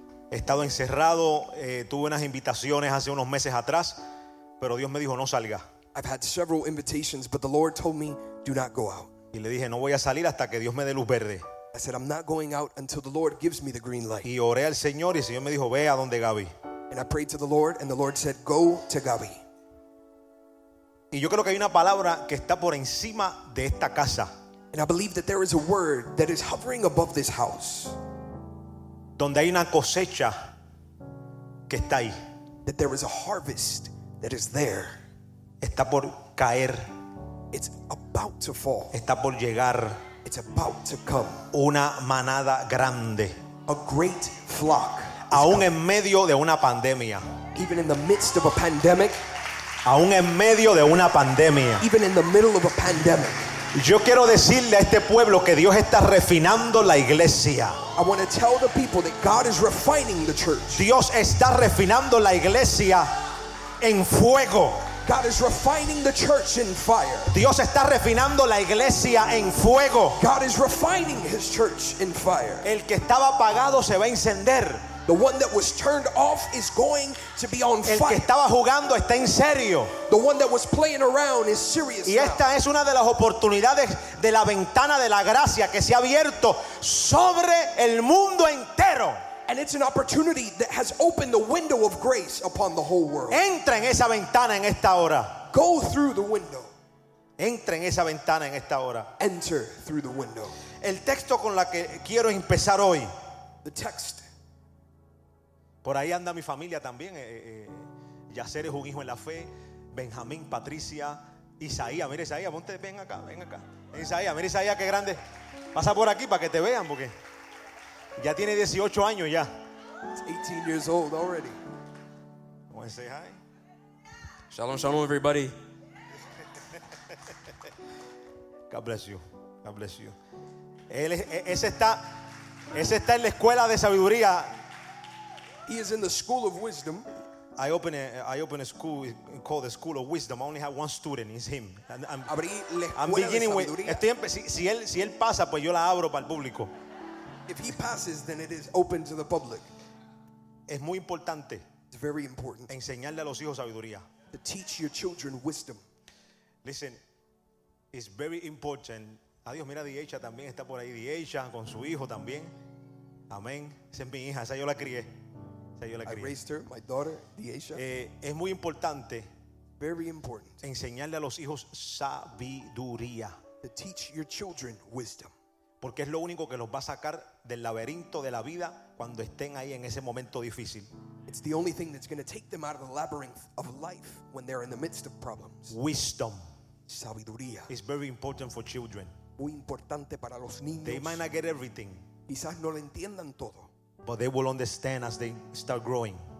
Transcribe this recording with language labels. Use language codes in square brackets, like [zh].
[es] He estado encerrado, tuve unas invitaciones hace unos meses atrás, pero Dios me dijo no salga. [en] I've had several invitations, but the Lord told me do not go out. [es] Y le dije no voy a salir hasta que Dios me dé luz verde. [en] I said I'm not going out until the Lord gives me the green light. [es] Y oré al Señor y el Señor me dijo ve a donde Gaby. [en] And I prayed to the Lord and the Lord said go to Gaby. [es] Y yo creo que hay una palabra que está por encima de esta casa. [en] And I believe that there is a word that is hovering above this house. [es] Donde hay una cosecha que está ahí. [en] That there is a harvest that is there. [es] Está por caer. [en] It's about to fall. [es] Está por llegar. [en] It's about to come. [es] Una manada grande. [en] A great flock. [es] Aún en medio de una pandemia. [en] Even in the midst of a pandemic. [es] Aún en medio de una pandemia. [en] Even in the middle of a pandemic. [es] Yo quiero decirle a este pueblo que Dios está refinando la iglesia. [en] I want to tell the people that God is refining the church. [es] Dios está refinando la iglesia en fuego. [en] God is refining the church in fire. [es] Dios está refinando la iglesia en fuego. [en] God is refining his church in fire. [es] El que estaba apagado se va a encender. [en] The one that was turned off is going to be on fire. [es] El que estaba jugando está en serio. [en] The one that was playing around is serious. [es] Y esta es una de las oportunidades de la ventana de la gracia que se ha abierto sobre el mundo entero. [en] And it's an opportunity that has opened the window of grace upon the whole world. [es] Entra en esa ventana en esta hora. [en] Go through the window. [es] Entra en esa ventana en esta hora. [en] Enter through the window. [es] El texto con la que quiero empezar hoy. [en] The text. [es] Por ahí anda mi familia también. Yacer es un hijo en la fe. Benjamín, Patricia, Isaías. Mira Isaías, ponte, ven acá, ven acá. Isaías, mira Isaías, qué grande. Pasa por aquí para que te vean porque ya tiene 18 años ya. [en] It's 18 years old already. Want to say hi? Shalom, shalom, everybody. God bless you. God bless you. [es] Ese está en la escuela de sabiduría. [en] He is in the school of wisdom. I open a school called the school of wisdom. I only have one student. It's him. I'm beginning with. [es] Si él pasa, pues yo la abro para el público. [en] If he passes, then it is open to the public. [es] Es muy importante. [en] It's very important. [es] Enseñarle a los hijos sabiduría. [en] To teach your children wisdom. Listen, it's very important. [es] Adiós, mira, Diecha también está por ahí. Diecha con su hijo también. Amén. Esa es mi hija, esa yo la crié. [en] I raised her, my daughter, Deasia. [es] Es muy importante. [en] Very important. [es] Enseñarle a los hijos sabiduría. [en] To teach your children wisdom. [es] Porque es lo único que los va a sacar del laberinto de la vida cuando estén ahí en ese momento difícil. [en] It's the only thing that's going to take them out of the labyrinth of life when they're in the midst of problems. Wisdom. [es] Sabiduría. [en] It's very important for children. [es] Muy importante para los niños. [en] They might not get everything. [es] Quizás no lo entiendan todo. [en] But they will understand as they start growing.